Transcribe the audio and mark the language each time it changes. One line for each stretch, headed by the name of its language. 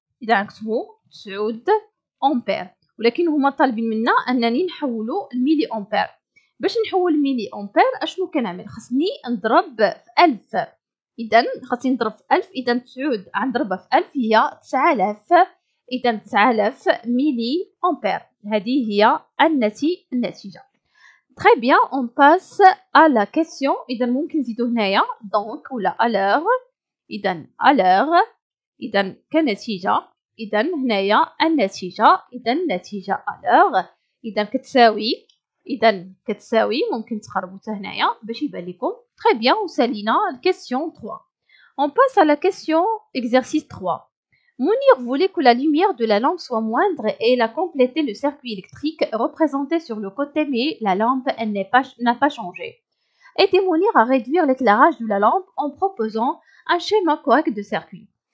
Arabic: اذا نكتبو 9 امبير، ولكن هما طالبين منا انني نحولو الميلي امبير. باش نحول ميلي امبير اشنو كنعمل؟ خصني نضرب في 1000، اذا خصني نضرب في 1000، اذا 9 نضربها في 1000 هي 9000، اذا 9000 ميلي امبير. هذه هي النتيجه.
French: Très bien, on passe à la question.
Arabic: إذن ممكن نزيدو هنايا donc ولا alors. إذن alors. إذن كنتيجة. إذن هنايا النتيجة. إذن نتيجة alors. إذن كتساوي. إذن كتساوي ممكن تخربو حتى هنايا باش يبان لكم.
French: Très bien, on
Arabic: سالينا
French: question 3. On passe à la question exercice 3. Mounir voulait que la lumière de la lampe soit moindre et il a complété le circuit électrique représenté sur le côté, mais la lampe n'a pas changé. Aidez Mounir à réduire l'éclairage de la lampe en proposant un schéma correct de circuit.